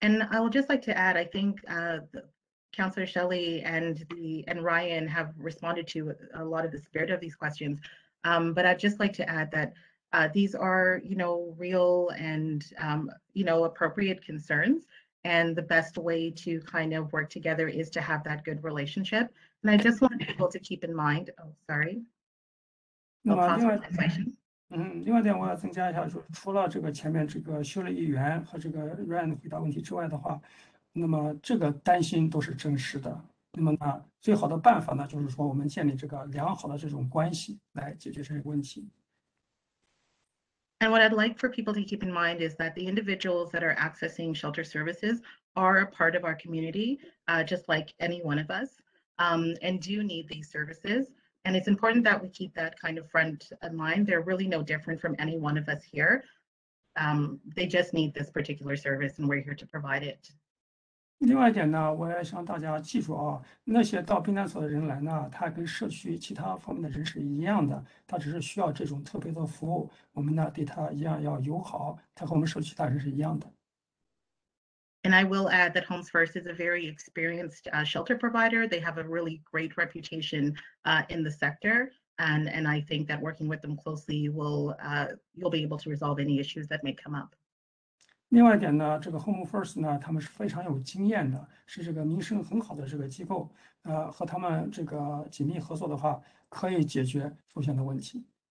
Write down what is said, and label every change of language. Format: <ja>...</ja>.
<en>I would just like to add, I think Councillor Shelley and Ryan have responded to a lot of the spirit of these questions. But I'd just like to add that these are, you know, real and you know, appropriate concerns. And the best way to kind of work together is to have that good relationship. And I just want people to keep in mind. Oh, sorry.</en> <zh>那么另外，另外点我要增加一下，就是除了这个前面这个修理议员和这个 Ryan 回答问题之外的话，那么这个担心都是真实的。那么呢，最好的办法呢，就是说我们建立这个良好的这种关系来解决这些问题。</zh> <en>And what I'd like for people to keep in mind is that the individuals that are accessing shelter services are a part of our community, just like any one of us. and do need these services. And it's important that we keep that kind of front in mind. They're really no different from any one of us here. They just need this particular service and we're here to provide it.</en> <zh>另外一点呢，我也想大家记住啊，那些到槟榔所的人来呢，他跟社区其他方面的人是一样的，他只是需要这种特别的服务，我们呢对他一样要友好，他和我们社区大人是一样的。</zh> <en>And I will add that Homes First is a very experienced shelter provider. They have a really great reputation in the sector, and I think that working with them closely will you'll be able to resolve any issues that may come up.</en> <zh>另外一点呢，这个 Home First 呢，他们是非常有经验的，是这个名声很好的这个机构，和他们这个紧密合作的话，可以解决出现的问题。</zh>